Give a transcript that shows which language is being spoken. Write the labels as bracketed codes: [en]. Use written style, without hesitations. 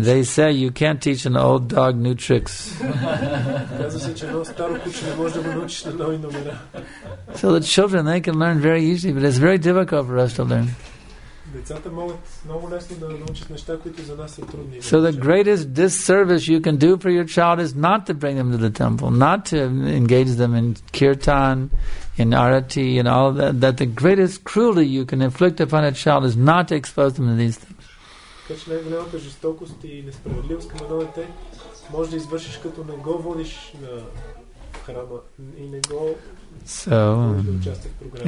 [en] They say you can't teach an old dog new tricks. [bg] Казва се, че едно старо куче не може да го научиш на нови номера. [en] So the children, they can learn very easily, but it's very difficult for us to learn. [bg] Децата могат много лесно да научат неща, които за нас са трудни. [en] So the greatest disservice you can do for your child is not to bring them to the temple, not to engage them in kirtan, in arati, and all that. That the greatest cruelty you can inflict upon a child is not to expose them to these things. [bg] Така че най-голямата жестокост и несправедливост към едно дете може да извършиш като не го водиш на храма и не го водиш да участваш в програмата.